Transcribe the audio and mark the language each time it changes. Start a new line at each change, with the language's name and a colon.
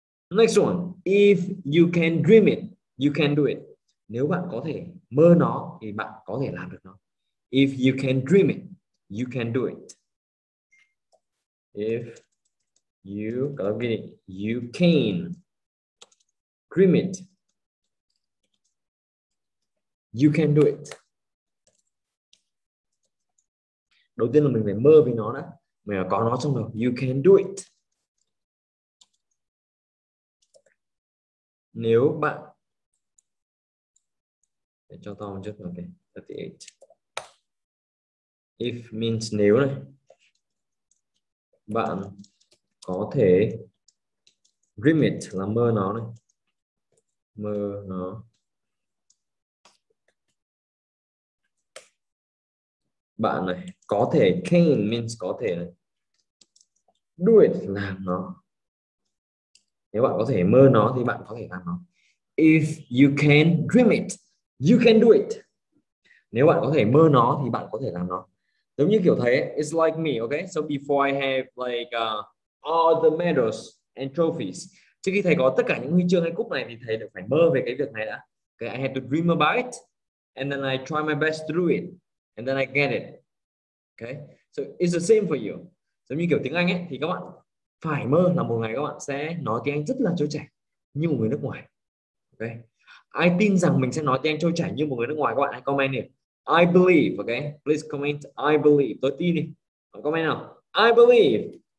English: Next one, if you can dream it, you can do it.
Vietnamese: Nếu bạn có thể mơ nó thì bạn có thể làm được nó.
English: If you can dream it, you can do it. If you, you can dream it, you can do it.
Vietnamese: Đầu tiên là mình phải mơ về nó đã, mình phải có nó trong đầu.
English: You can do it.
Vietnamese: Nếu bạn, để cho to một chút, ok, 38. If means nếu này, bạn có thể dream it là mơ nó này, mơ nó. Bạn này, có thể, can means có thể này, do it làm nó. Nếu bạn có thể mơ nó thì bạn có thể làm nó.
English: If you can dream it, you can do it.
Vietnamese: Nếu bạn có thể mơ nó thì bạn có thể làm nó. Giống như kiểu thấy,
English: it's like me, okay? So before I have like all the medals and trophies.
Vietnamese: Trước khi thầy có tất cả những huy chương hay cúp này thì thầy được phải mơ về cái việc này đã.
English: Okay, I had to dream about it and then I try my best to do it and then I get it. Okay? So it's the same for you.
Vietnamese: Giống như kiểu tiếng Anh ấy thì các bạn phải mơ là một ngày các bạn sẽ nói tiếng Anh rất là trôi chảy như một người nước ngoài. Ok. Ai tin rằng mình sẽ nói tiếng Anh trôi chảy như một người nước ngoài, các bạn hãy comment đi.
English: I believe, ok. Please comment I believe.
Vietnamese: Tôi tin đi. Comment nào.
English: I believe.